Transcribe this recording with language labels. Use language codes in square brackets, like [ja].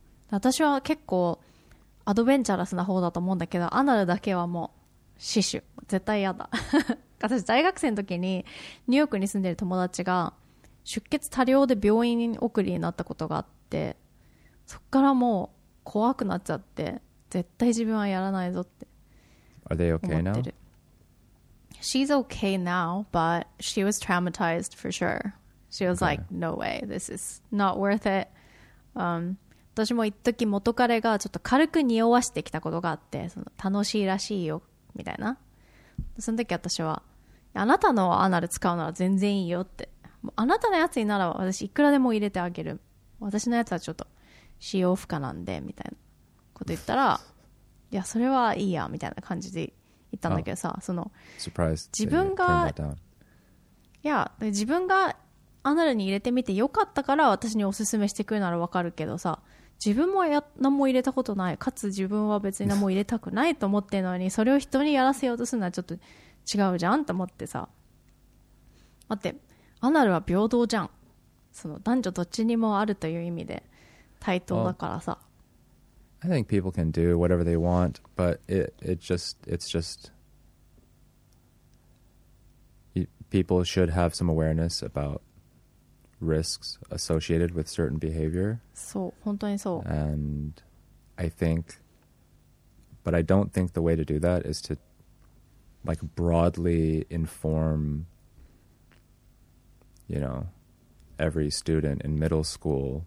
[ja] 私は結構アドベンチャラスな方だと思うんだけど、アナルだけはもう死守、絶対やだ。私大学生の時にニューヨークに住んでる友達が出血多量で病院送りになったことがあって、そっからもう怖くなっちゃって絶対自分はやらないぞって思ってる。 [en] Are they okay now? She's okay now, but she was traumatized for sure. She was like, no way, this is not worth it. [ja] 私も一時元彼がちょっと軽く匂わしてきたことがあって、その楽しいらしいよみたいな、その時私はあなたのアナル使うなら全然いいよって、もうあなたのやつになら私いくらでも入れてあげる、私のやつはちょっと使用不可なんでみたいなこと言ったらいやそれはいいやみたいな感じで言ったんだけどさ、その自分が、自分がアナルに入れてみてよかったから私におすすめしてくるならわかるけどさ、自分も何も入れたことない、かつ自分は別に何も入れたくないと思ってるのにそれを人にやらせようとするのはちょっと違うじゃんと思ってさ、待って、アナルは平等じゃん、その男女どっちにもあるという意味で対等だからさ。 [en] I think people can do whatever they want, but it's just people should have some awareness aboutrisks associated with certain behavior. [ja] そう、本当にそう。 [en] And I think, but I don't think the way to do that is to like broadly inform, you know, every student in middle school.